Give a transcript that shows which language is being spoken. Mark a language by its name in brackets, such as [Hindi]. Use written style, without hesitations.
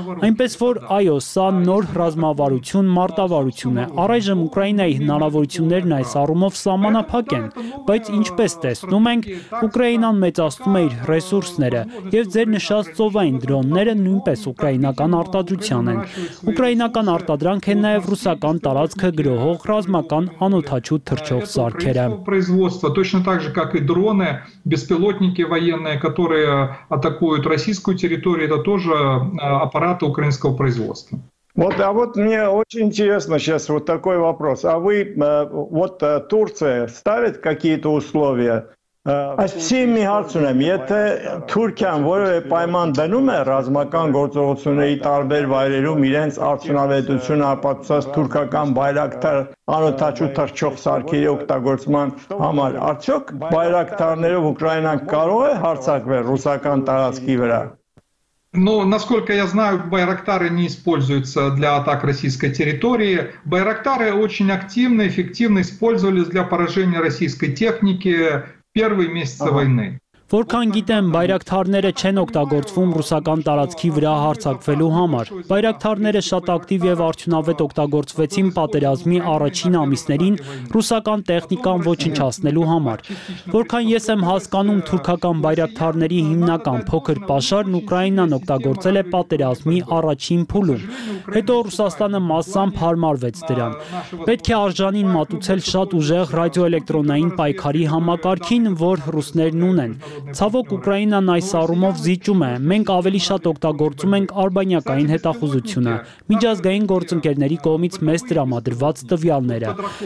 [Armenian] Այնպես որ այո, սա նոր ռազմավարություն, մարտավարություն է։ Առայժմ Ուկրաինայի հնարավորություններն այս առումով սահմանափակ են, բայց ինչպես տեսնում ենք, Ուկրաինան մեծացնում է իր ռեսուրսները, եւ ձեր նշած ծովային դրոնները նույնպես ուկրաինական արտադրության են։ Ուկրաինական արտադրանք է նաև ռուսական տարածքը գրոհող ռազմական անօթաչու թռչող սարքերը։ [Russian] Точно так же, как и дроны, беспилотники военные, которые атакуют российскую территорию, это тоже аппараты украинского производства. Вот, а вот мне очень интересно сейчас вот такой вопрос. А вы вот Турция ставит какие-то условия? [Armenian] Այսպեսի մի հարց ունեմ, եթե Թուրքիան որևէ պայման դնում է ռազմական գործողությունների տարբեր վայրերում իրենց արդյունավետությունը ապացուցած թուրքական բայրակտար անօթաչու թռչող սարքերի օգտագործման համար, արդյոք բայրակտարներով Ուկրաինան կարող է հարձակվել ռուսական տարածքի վրա? [Russian] Но, насколько я знаю, Байрактары не используются для атак российской территории. Байрактары очень активно, эффективно использовались для поражения российской техники. Первые месяцы войны. [Armenian] Որքան գիտեմ, բայրակթարները չեն օգտագործվում ռուսական տարածքի վրա հարձակվելու համար։ Բայրակթարները շատ ակտիվ եւ արդյունավետ օգտագործվեցին պատերազմի առաջին ամիսներին ռուսական տեխնիկան ոչնչացնելու համար։ Որքան ես եմ հասկանում, թուրքական բայրակթարների հիմնական փոքր պաշարն Ուկրաինան օգտագործել է պատերազմի առաջին փուլում։ Հետո Ռուսաստանը massամբ հարմարվեց դրան։ Պետք է արժանին մատուցել շատ ուժեղ ռադիոէլեկտրոնային պայքարի համակարգին, որ ռուսներն ունեն։ Ցավոք Ուկրաինան այս առումով զիջում է։ Մենք ավելի շատ օգտագործում ենք արբանյակային հետախուզությունը, միջազգային գործընկերների կողմից մեզ տրամադրված տվյալները։